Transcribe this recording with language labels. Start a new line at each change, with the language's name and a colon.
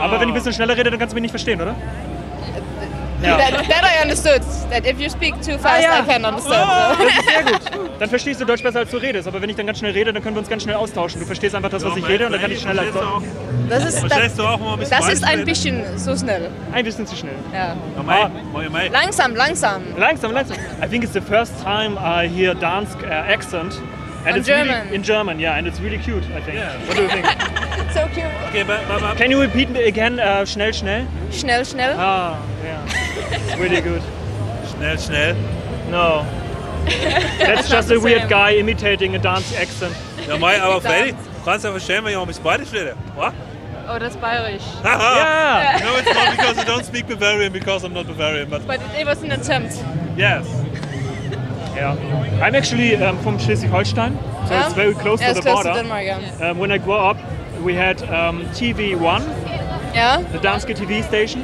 German: Aber wenn ich ein bisschen schneller rede, dann kannst du mich nicht verstehen, oder?
English: That I understood. That if you speak too fast, I can understand.
German: Das ist sehr gut. Dann verstehst du Deutsch besser, als du redest. Aber wenn ich dann ganz schnell rede, dann können wir uns ganz schnell austauschen. Du verstehst einfach das, was ich rede, und dann kann ich schneller. Das ist ein bisschen zu schnell. Ein bisschen zu schnell. Ja. Langsam. Langsam.
English: I think it's the first time I hear Dansk accent. And it's German. Really, in German, yeah, and it's really cute, I think. Yeah. What do you think? It's so cute. Okay, but. Can you repeat me again, schnell?
German: Schnell.
English: Ah, yeah. It's really good.
German: Schnell.
English: No. That's just a weird guy imitating a dance accent.
German: Ja, mei, aber Freddy, kannst du verstehen, wenn ich auch ein bisschen Bayerisch rede?
English: What? Oh, that's Bayerisch. Yeah. No, it's not because I don't speak Bavarian, because I'm not Bavarian, but. But it was an attempt. Yes. Yeah. I'm actually from Schleswig-Holstein, so it's very close to the border. Close to Denmark, yeah. When I grew up, we had TV1, the Danske TV station.